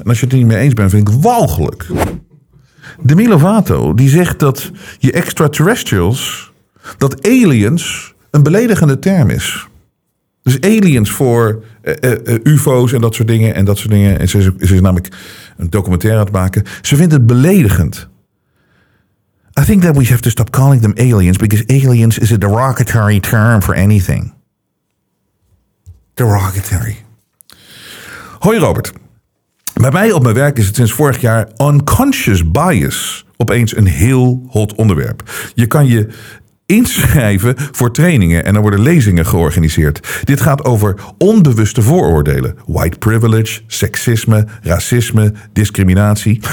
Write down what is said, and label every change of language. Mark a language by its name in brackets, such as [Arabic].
[Dutch] En als je het er niet mee eens bent, vind ik het walgelijk. Demi Lovato, die zegt dat je extraterrestrials, dat aliens een beledigende term is. Dus aliens voor UFO's en dat soort dingen. En ze is namelijk een documentaire aan het maken. Ze vindt het beledigend. [English] I think that we have to stop calling them aliens, because aliens is a derogatory term for anything. [Dutch] Derogatory. Hoi Robert. Bij mij op mijn werk is het sinds vorig jaar unconscious bias opeens een heel hot onderwerp. Je kan je inschrijven voor trainingen en er worden lezingen georganiseerd. Dit gaat over onbewuste vooroordelen. White privilege, seksisme, racisme, discriminatie.